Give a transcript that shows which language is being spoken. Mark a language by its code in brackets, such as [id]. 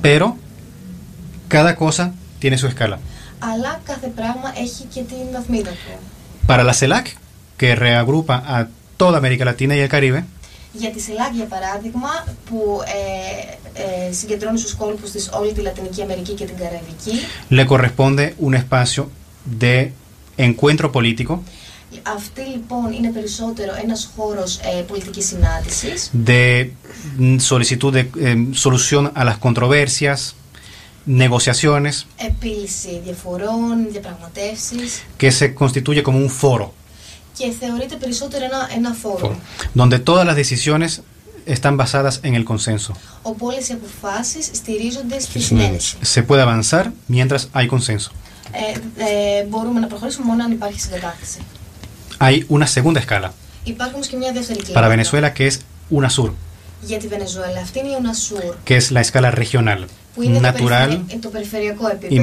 [es] Pero cada cosa tiene su escala. [el] Αλλά κάθε πράγμα έχει και την βαθμίδα του. [es] Para la CELAC, que reagrupa a toda América Latina y el Caribe. [el] Για τη CELAC, για παράδειγμα, που συγκεντρώνει στους κόλπους της όλη τη Λατινική Αμερική και την Καραϊβική. [es] Le corresponde un espacio de encuentro político. [el] Αυτή λοιπόν είναι περισσότερο ένας χώρος πολιτικής συνάντησης. [es] De solicitud de solución a las controversias, negociaciones. [el] Επίλυση διαφορών, διαπραγματεύσεις. [es] Que se constituye como un foro. [el] Και θεωρείται περισσότερο ένα φόρο. [es] Donde todas las decisiones están basadas en el consenso. [el] Οπότε οι αποφάσεις στηρίζονται στη συνένεση. [es] Se puede avanzar mientras hay consenso. [el] Μπορούμε να προχωρήσουμε μόνο αν υπάρχει συγκατάθεση. [es] Hay una segunda escala. [el] Υπάρχει όμως και μια δεύτερη κλίμακα. [es] Para Venezuela, que es UNASUR. [el] Για τη Βενεζουέλα, αυτή είναι η UNASUR. [es] Que es la escala regional. [el] Που είναι natural, το περιφερειακό επίπεδο.